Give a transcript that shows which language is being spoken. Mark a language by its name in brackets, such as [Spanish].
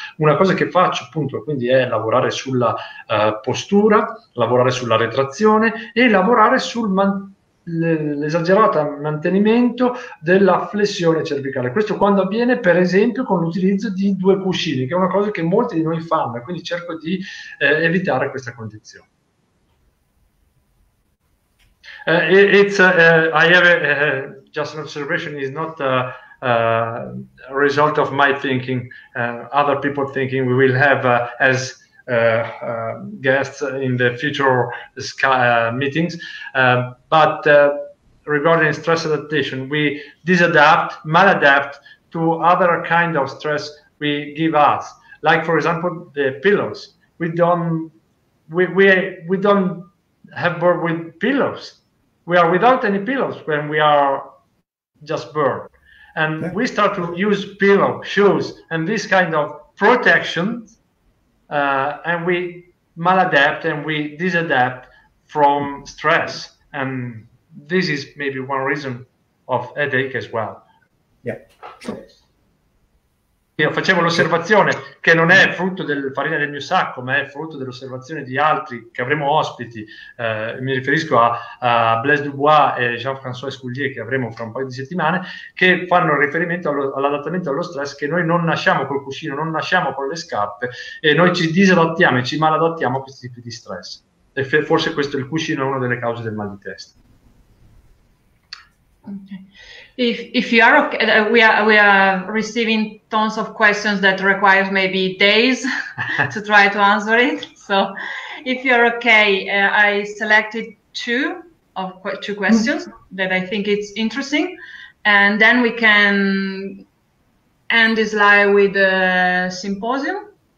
[Italian] Una cosa che faccio appunto quindi è lavorare sulla postura, lavorare sulla retrazione e lavorare sul l'esagerato mantenimento della flessione cervicale. Questo quando avviene, per esempio, con l'utilizzo di due cuscini, che è una cosa che molti di noi fanno, e quindi cerco di evitare questa condizione. [English] Just an observation, is not a result of my thinking, other people thinking we will have guests in the future meetings, but regarding stress adaptation, we maladapt to other kind of stress we give us, like for example the pillows. We don't have birth with pillows. We are without any pillows when we are just born, and we start to use pillow, shoes, and this kind of protection. And we maladapt and we disadapt from stress, and this is maybe one reason of headache as well. Yeah. [Italian] Io facevo l'osservazione che non è frutto della farina del mio sacco, ma è frutto dell'osservazione di altri che avremo ospiti. Mi riferisco a Blaise Dubois e Jean-François Escoulier, che avremo fra un paio di settimane, che fanno riferimento all'adattamento allo stress, che noi non nasciamo col cuscino, non nasciamo con le scarpe, e noi ci disadattiamo e ci maladattiamo a questi tipi di stress. E forse questo, il cuscino, è una delle cause del mal di testa. [English] Okay. If you are okay, we are receiving tons of questions that requires maybe days to try to answer it. So if you're okay, I selected two questions that I think it's interesting, and then we can end this live with the symposium.